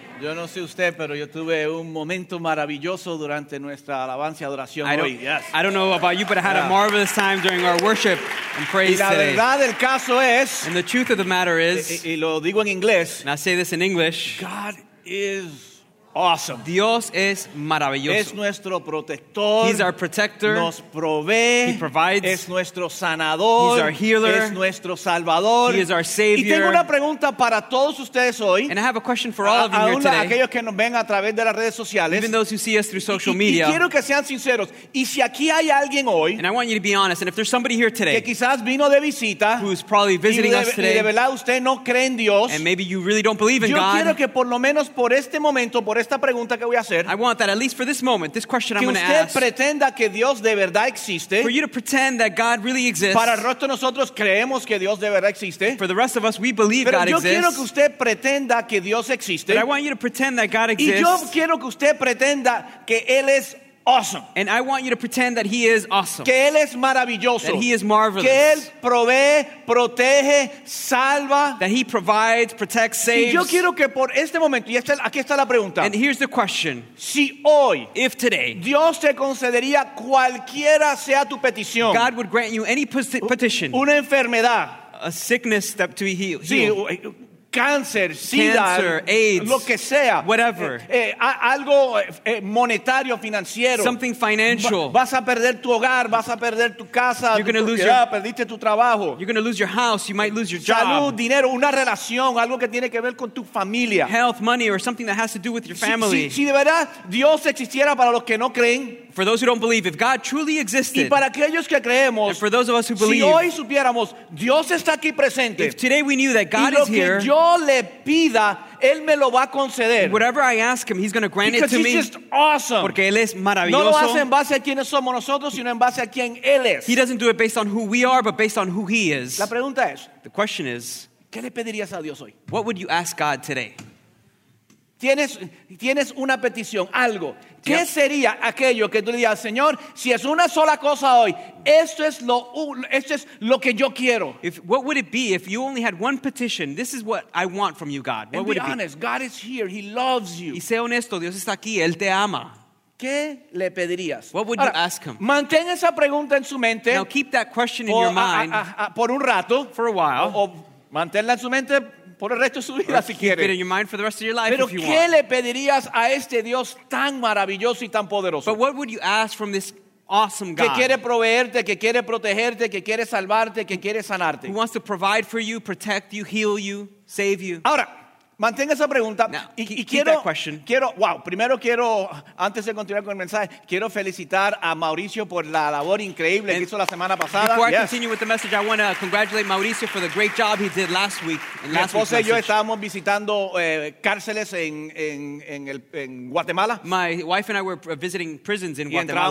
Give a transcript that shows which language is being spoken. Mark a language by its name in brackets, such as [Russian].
[Spanish] Yo no sé usted, pero yo tuve un momento maravilloso durante nuestra alabanza y adoración hoy. [English] Yes. I don't know about you, but I had a marvelous time during our worship and praise today. [Spanish] Y la verdad del caso es, [English] and the truth of the matter is, [Spanish] y lo digo en inglés, [English] and I say this in English, God is awesome. [Spanish] Dios es maravilloso. Es nuestro protector. [English] He's our protector. [Spanish] Nos provee. [English] He provides. [Spanish] Es nuestro sanador. [English] He's our healer. [Spanish] Es nuestro salvador. [English] He is our savior. [Spanish] Y tengo una pregunta para todos ustedes hoy. [English] And I have a question for all of you here today. [Spanish] Aquellos que nos ven a través de las redes sociales. [English] Even those who see us through social media. [Spanish] Y quiero que sean sinceros. Y si aquí hay alguien hoy. [English] And I want you to be honest. And if there's somebody here today. [Spanish] Que quizás vino de visita. [English] Who's probably visiting us today. [Spanish] Y de verdad usted no cree en Dios. [English] And maybe you really don't believe in [Spanish] yo [English] God. [Spanish] Yo quiero que por lo menos por este momento, por esta pregunta que voy a hacer, [English] I want that at least for this moment, this question I'm going to ask. [Spanish] Que usted pretenda que Dios de verdad existe. [English] For you to pretend that God really exists. [Spanish] Para el resto de nosotros creemos que Dios de verdad existe. [English] For the rest of us, we believe God exists. [Spanish] Pero yo quiero que usted pretenda que Dios existe. [English] But I want you to pretend that God exists. [Spanish] Y yo quiero que usted pretenda que Él es awesome. [English] And I want you to pretend that He is awesome. [Spanish] Que Él es maravilloso. [English] That He is marvelous. [Spanish] Que Él provee, protege, salva. [English] That He provides, protects, saves. [Spanish] Y yo quiero que por este momento, y aquí está la pregunta. [English] And here's the question. [Spanish] Si hoy, [English] if today, [Spanish] Dios te concedería cualquiera sea tu petición. [English] God would grant you any petition. [Spanish] Una enfermedad. [English] A sickness that to be healed. [Spanish] Sí, cáncer, sida, [English] AIDS, [Spanish] lo que sea, [English] whatever, [Spanish] algo monetario, financiero, [English] something financial, [Spanish] vas a perder tu hogar, vas a perder tu casa, perdiste tu trabajo, [English] you're going to lose your house, you might lose your [Spanish] salud, [English] job, [Spanish] dinero, una relación, algo que tiene que ver con tu familia, [English] health, money, or something that has to do with your family. [Spanish] Si de verdad Dios existiera para los que no creen, [English] for those who don't believe, if God truly existed, [Spanish] y para aquellos que creemos, [English] and for those of us who believe, [Spanish] si hoy supiéramos, Dios está aquí presente, [English] if today we knew that God [Spanish] y lo [English] is here, [Spanish] que yo le pida, Él me lo va a conceder. [English] Whatever I ask Him, He's going to grant because it to me. Because He's just awesome. [Spanish] Porque Él es maravilloso. No lo hace en base a quiénes somos nosotros, sino en base a quién Él es. [English] He doesn't do it based on who we are, but based on who He is. [Spanish] La pregunta es, [English] the question is, [Spanish] ¿qué le pedirías a Dios hoy? [English] What would you ask God today? [Spanish] Tienes una petición, algo. ¿Qué sería aquello que tú dirías, Señor, si es una sola cosa hoy, esto es lo que yo quiero? [English] If, what would it be if you only had one petition? This is what I want from you, God. What and would be it honest, be? God is here. He loves you. [Spanish] Y sé honesto, Dios está aquí. Él te ama. ¿Qué le pedirías? [English] What would [Spanish] ahora, [English] you ask Him? [Spanish] Mantén esa pregunta en su mente. [English] Now keep that question in your mind. [Spanish] Por un rato. [English] For a while. [Spanish] O manténla en su mente. Por el resto de su vida, si quieres. [English] Keep it in your mind for the rest of your life. [Spanish] Pero [English] if you [Spanish] ¿qué [English] want. [Spanish] Le pedirías a este Dios tan maravilloso y tan poderoso? [English] But what would you ask from this awesome God? [Spanish] Que quiere proveerte, que quiere protegerte, que quiere salvarte, que quiere sanarte. [English] Who wants to provide for you, protect you, heal you, save you? [Spanish] Ahora, mantenga esa pregunta. [English] Now, [Spanish] y quiero, [English] that question. [Spanish] Quiero, wow, primero quiero, antes de continuar con el mensaje, quiero felicitar a Mauricio por la labor increíble [English] and [Spanish] que hizo la semana pasada. [English] Before yes. I continue with the message, I want to congratulate Mauricio for the great job he did last week. [Spanish] Mi esposa y yo estábamos visitando cárceles en Guatemala. [English] My wife and I were visiting prisons in Guatemala.